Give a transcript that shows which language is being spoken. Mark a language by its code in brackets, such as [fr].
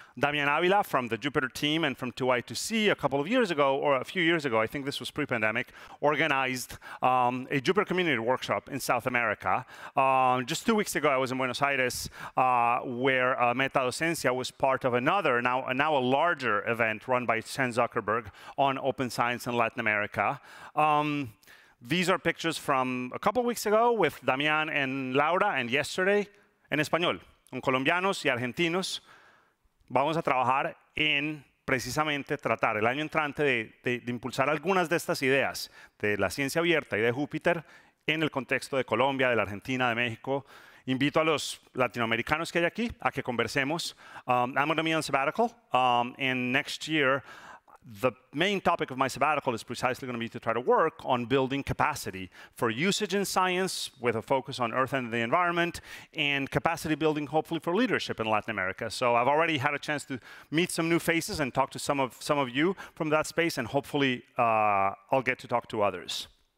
[en] Damian Avila from the Jupyter team and from 2i2c a few years ago, I think this was pre-pandemic, organized a Jupyter community workshop in South America. Just 2 weeks ago, I was in Buenos Aires, where MetaDocencia was part of another, now a larger event run by Chan Zuckerberg on open science in Latin America. These are pictures from a couple weeks ago with Damian and Laura, and yesterday, [es] en español, con colombianos y argentinos, vamos a trabajar en precisamente tratar el año entrante de impulsar algunas de estas ideas de la ciencia abierta y de Jupyter en el contexto de Colombia, de la Argentina, de México. Invito a los latinoamericanos que hay aquí a que conversemos. [en] I'm going to be on sabbatical, and next year, the main topic of my sabbatical is precisely going to be to try to work on building capacity for usage in science with a focus on Earth and the environment, and capacity building hopefully for leadership in Latin America. So I've already had a chance to meet some new faces and talk to some of you from that space, and hopefully I'll get to talk to others.